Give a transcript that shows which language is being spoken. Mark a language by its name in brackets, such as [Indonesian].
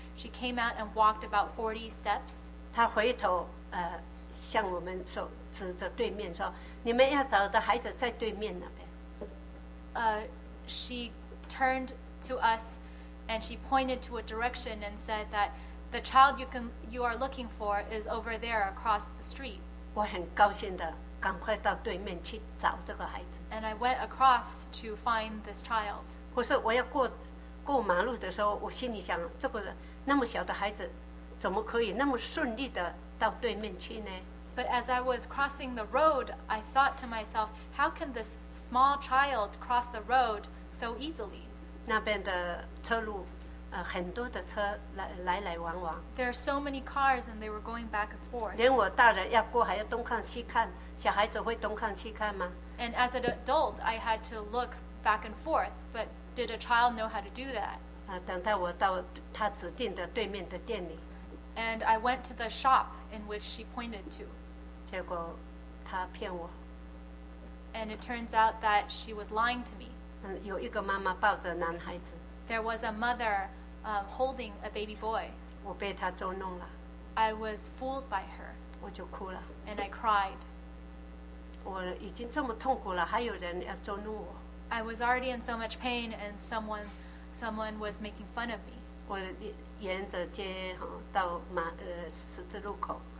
[English] She came out and walked about 40 steps. [Chinese] 她回头向我们说，指着对面说，你们要找的孩子在对面那边。 [English] She turned to us and she pointed to a direction and said that the child you are looking for is over there across the street. [Chinese] 我很高兴的赶快到对面去找这个孩子。 [English] And I went across to find this child. [Chinese] 我说我要过马路的时候，我心里想，这个那么小的孩子，怎么可以那么顺利的到对面去呢？ [English] But as I was crossing the road, I thought to myself, how can this small child cross the road so easily? [Chinese] 那边的车路，很多的车来往往。 [English] There are so many cars and they were going back and forth. [Chinese] 连我大人要过还要东看西看，小孩子会东看西看吗？ [English] And as an adult, I had to look back and forth, but did a child know how to do that? [Chinese] 等待我到他指定的对面的店里。 [English] And I went to the shop in which she pointed to. [Chinese] 结果她骗我。 [English] And it turns out that she was lying to me. [Chinese] 有一个妈妈抱着男孩子。 [English] There was a mother holding a baby boy. [Chinese] 我被她捉弄了。 [English] I was fooled by her. [Chinese] 我就哭了。 [English] And I cried. [Chinese] 我已经这么痛苦了，还有人要捉弄我。 [English] I was already in so much pain and someone was making fun of me. [Chinese] 我沿着街到马十字路口。